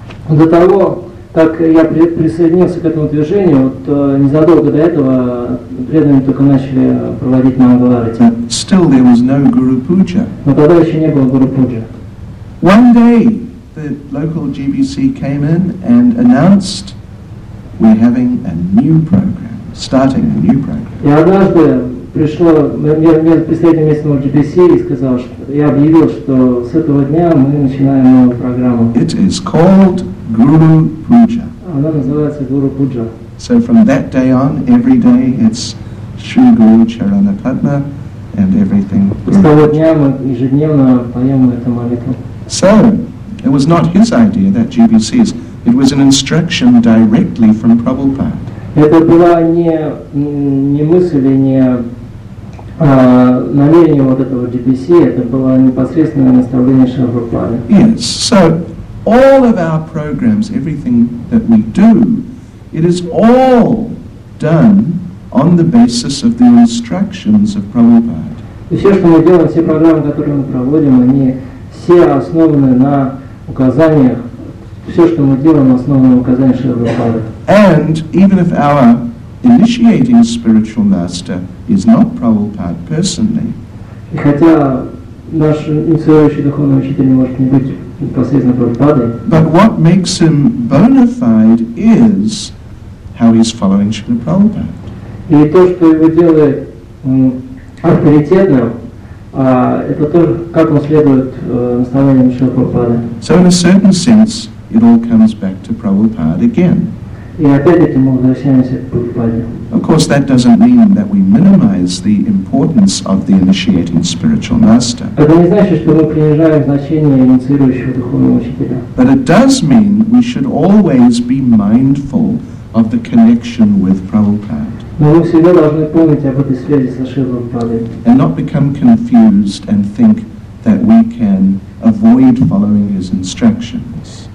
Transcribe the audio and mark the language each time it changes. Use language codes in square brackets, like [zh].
[ru] До того, как я присоединился к этому движению, вот незадолго до этого преданные только начали проводить Мангаларати. [en] Still there was no Guru Puja. [ru] Но тогда еще не было Guru Puja. [en] One day the local GBC came in and announced we're having a new program, starting a new program. [ru] И однажды пришло представитель местного GBC и сказал, я объявил, что с этого дня мы начинаем новую программу. [en] It is called Guru Puja. [ru] Она называется Guru Puja. [en] So from that day on, every day it's Sri Guru Charana Padma and everything. [ru] С того дня мы ежедневно поем эту молитву. [en] So, it was not his idea, that GBC's. It was an instruction directly from Prabhupada. [ru] Это была не мысль, не намерение вот этого GBC, это было непосредственное наставление Шрилы Прабхупады. [en] Yes, so all of our programs, everything that we do, it is all done on the basis of the instructions of Prabhupada. [ru] И все, что мы делаем, все программы, которые мы проводим, они все основаны на указаниях. Все, что мы делаем, основано на указаниях Шрилы Прабхупады. [en] And even if our initiating spiritual master is not Prabhupada personally, [ru] и хотя наш инициирующий духовный учитель может не быть непосредственно Прабхупадой, [en] but what makes him bona fide is how he's following Srila Prabhupada. [ru] И то, что его делает авторитетным, это то, как он следует наставлениям Шрилы Прабхупады. [en] So in a certain sense, it all comes back to Prabhupada again. [ru] И опять-таки мы возвращаемся к Прабхупаде. [en] Of course, that doesn't mean that we minimize the importance of the initiating spiritual master. [ru] Это не значит, что мы принижаем значение инициирующего духовного учителя. [en] But it does mean we should always be mindful of the connection with Prabhupada. [ru] Но мы всегда должны помнить об этой связи со Шрилой Прабхупадой. [en] And not become confused and think that we can avoid following his instructions.